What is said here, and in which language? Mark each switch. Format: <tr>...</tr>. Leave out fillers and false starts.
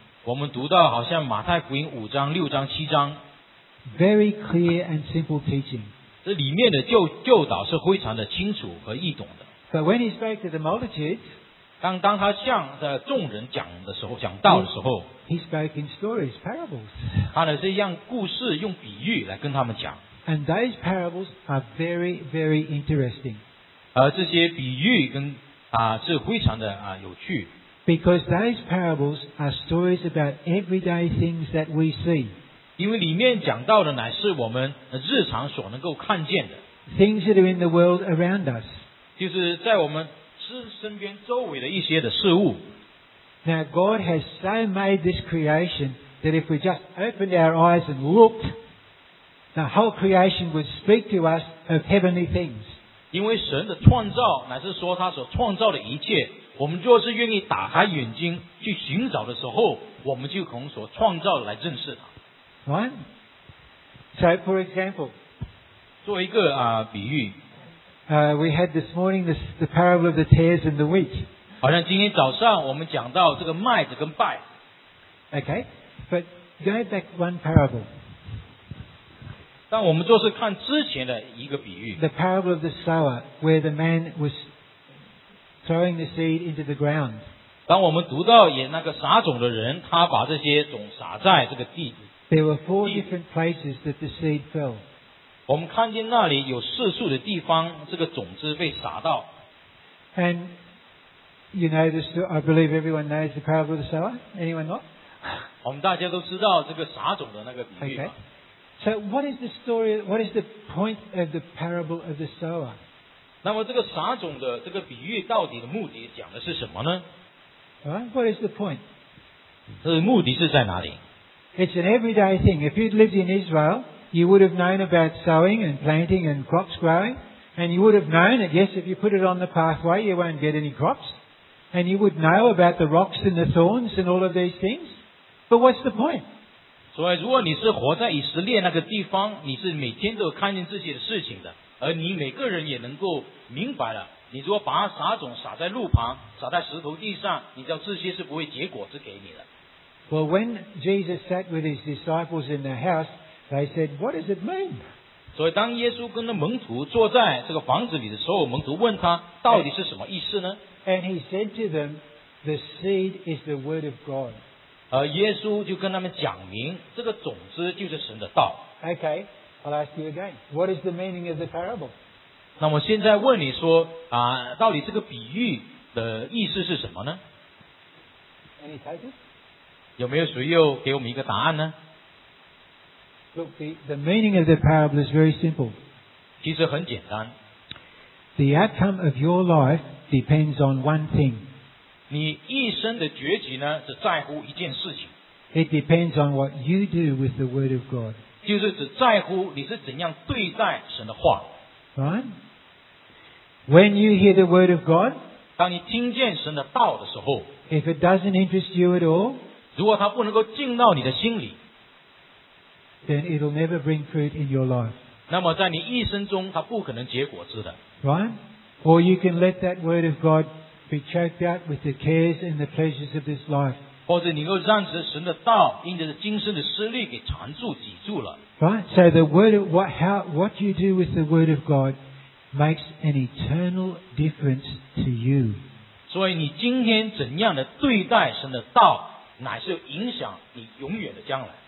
<zh>我们读到好像马太福音五章、六章、七章。</zh> <en>Very clear and simple teaching.</en> <zh>这里面的教导是非常的清楚和易懂的。</zh> <en>But when he spoke to the multitudes,</en> <zh>当他向众人讲的时候，讲道的时候，</zh> <en>he spoke in stories, parables.</en> <zh>他的这样故事用比喻来跟他们讲。</zh> <en>And those parables are very, very interesting.</en> <zh>而这些比喻跟是非常的有趣。</zh> <en>Because those parables are stories about everyday things that we see.</en> <zh>因为里面讲到的乃是我们日常所能够看见的。</zh> <en>Things that are in the world around us.</en> <zh>就是在我们身边周围的一些的事物。</zh> <en>Now God has so made this creation that if we just opened our eyes and looked, the whole creation would speak to us of heavenly things.</en> <zh>因为神的创造乃是说他所创造的一切，我们若是愿意打开眼睛去寻找的时候，我们就从所创造的来认识他。</zh> <en>Right? So for example,</en> <zh>做一个比喻。</zh> <en>We had this morning the parable of the tares and the wheat.</en> <zh>好像今天早上我们讲到这个麦子跟稗。</zh> <en>Okay, but go back one parable.</en> <zh>但我们就是看之前的一个比喻。</zh> <en>The parable of the sower, where the man was throwing the seed into the ground.</en> <zh>当我们读到也那个撒种的人，他把这些种撒在这个地。</zh> <en>There were four different places that the seed fell. 我们看见那里有四处的地方，这个种子被撒到。 And you know this, I believe everyone knows the parable of the sower. Anyone not?</en> <zh>我们大家都知道这个撒种的那个比喻。</zh> <en>Okay. So what is the story, what is the point of the parable of the sower?</en> <zh>那么这个撒种的这个比喻到底的目的讲的是什么呢？</zh> <en>Right, what is the point?</en> <zh>这个目的是在哪里？</zh> <en>It's an everyday thing. If you'd lived in Israel, you would have known about sowing and planting and crops growing. And you would have known that yes, if you put it on the pathway, you won't get any crops. And you would know about the rocks and the thorns and all of these things. But what's the point?</en> <zh>所以如果你是活在以色列那个地方，你是每天都看见这些事情的，而你每个人也能够明白了，你如果把撒种撒在路旁，撒在石头地上，你知道这些是不会结果子给你的。</zh> <en>Well, when Jesus sat with his disciples in the house, they said, what does it mean?</en> <zh>所以当耶稣跟那门徒坐在这个房子里的时候，门徒问他到底是什么意思呢？</zh> <en>And he said to them, the seed is the word of God.</en> <zh>耶稣就跟他们讲明这个种子就是神的道。</zh> <en>OK, I'll ask you again, what is the meaning of the parable?</en> <zh>那我现在问你说到底这个比喻的意思是什么呢？</zh> <en>Any takers?</en> <zh>有没有谁又给我们一个答案呢？</zh> <en>Look, the meaning of the parable is very simple.</en> <zh>其实很简单。</zh> <en>The outcome of your life depends on one thing.</en> <zh>你一生的决局呢，只在乎一件事情。</zh> <en>It depends on what you do with the word of God.</en> <zh>就是只在乎你是怎样对待神的话。</zh> <en>Right? When you hear the word of God,</en> <zh>当你听见神的道的时候，</zh> <en>if it doesn't interest you at all,</en> <zh>如果它不能够进到你的心里，</zh> <en>then it will never bring fruit in your life.</en> <zh>那么在你一生中它不可能结果子的。</zh> <en>Right? Or you can let that word of God be choked out with the cares and the pleasures of this life.</en> <zh>或者你够让神的道因着今生的思虑给缠住挤住了。</zh> <en>Right? So the word of what you do with the word of God makes an eternal difference to you.</en> <zh>所以你今天怎样的对待神的道乃是影响你永远的将来。</zh>